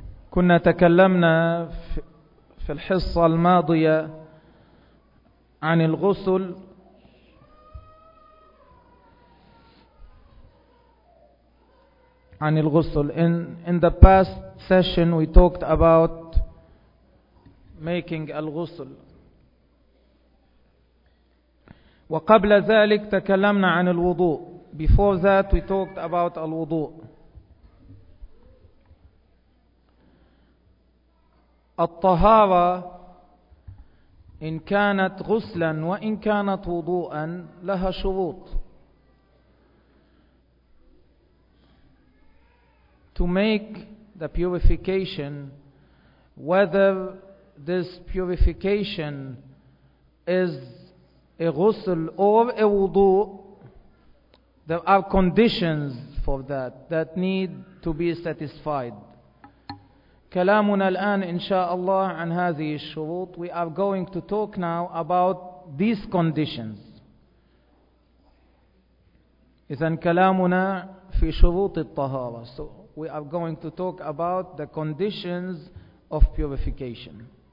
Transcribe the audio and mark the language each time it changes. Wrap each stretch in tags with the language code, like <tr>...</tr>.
<ar>كنا تكلمنا في الحصة الماضية عن الغسل عن الغسل.</ar> <en>In the past session we talked about making الغسل.</en> <ar>وقبل ذلك تكلمنا عن الوضوء.</ar> <en>Before that we talked about الوضوء.</en> <ar>الطهارة إن كانت غسلا وإن كانت وضوءا لها شروط.</ar> <en>To make the purification, whether this purification is a ghusl or a wudu, there are conditions for that that need to be satisfied.</en> <ar>كلامنا الآن إن شاء الله عن هذه الشروط.</ar> <en>We are going to talk now about these conditions.</en> <ar>إذن كلامنا في شروط الطهارة.</ar> <en>So we are going to talk about the conditions of purification.</en>